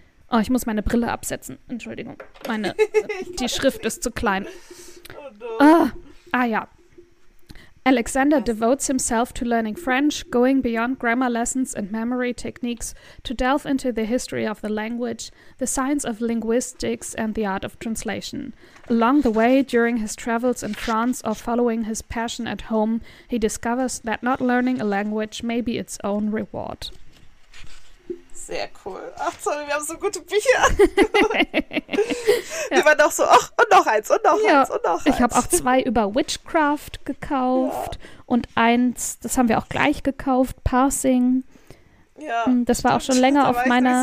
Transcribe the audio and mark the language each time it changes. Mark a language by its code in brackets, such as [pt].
[de] Oh, ich muss meine Brille absetzen. Entschuldigung. Die Schrift ist zu klein. [en] Oh no. [de] Ah ja. [en] Alexander devotes himself to learning French, going beyond grammar lessons and memory techniques to delve into the history of the language, the science of linguistics, and the art of translation. Along the way, during his travels in France or following his passion at home, he discovers that not learning a language may be its own reward. [de] Sehr cool. Ach toll, wir haben so gute Bücher. Wir waren auch so, ach, und noch eins, und noch eins, und noch eins. Ich habe auch zwei über Witchcraft gekauft und eins, das haben wir auch gleich gekauft, Parsing. Ja. Das war auch schon länger auf meiner...